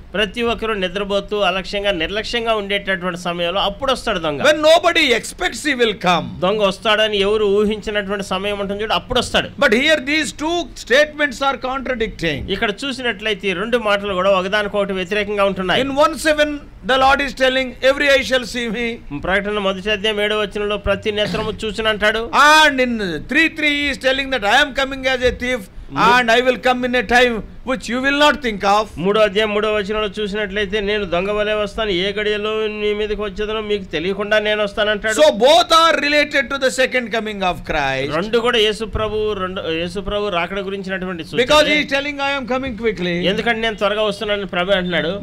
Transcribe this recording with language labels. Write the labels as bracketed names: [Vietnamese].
[Telugu] ప్రతి ఒక్కరూ నిద్రపోతూ అలక్ష్యంగా నిర్లక్ష్యంగా ఉండేటటువంటి సమయంలో అప్పుడు వస్తాడు దొంగ. [English] When nobody expects he will come. [Telugu] దొంగ వస్తాడని ఎవరు ఊహించినటువంటి సమయం ఉంటుంది చూడు, అప్పుడు వస్తాడు. [English] But here these two statements are contradicting. [Telugu] ఇక్కడ చూసినట్లయితే రెండు మాటలు కూడా ఒకదానికొకటి వ్యతిరేకంగా ఉంటున్నాయి. [English] In 1:7 the lord is telling every eye shall see me. [Telugu] ప్రకటన మొదటి అధ్యాయం 7 వచనంలో ప్రతి నేత్రము చూచును అంటాడు. [English] And in 3:3 he is telling that I am coming as a thief and I will come in a time which you will not think of. [Telugu] 3 అధ్యాయం 3 వచనంలో చూసినట్లయితే నేను దొంగ వలే వస్తాను, ఏ గడియలో నీ మీదకి వచ్చేదనో మీకు తెలియకుండా నేను వస్తాను అంటాడు. [English] So both are related to the second coming of Christ. [Telugu] రెండు కూడా యేసు ప్రభు రాకడ గురించినటువంటి సూచన. [English] Because he is telling I am coming quickly. [Telugu] ఎందుకంటే నేను త్వరగా వస్తున్నానని ప్రభు అంటున్నాడు.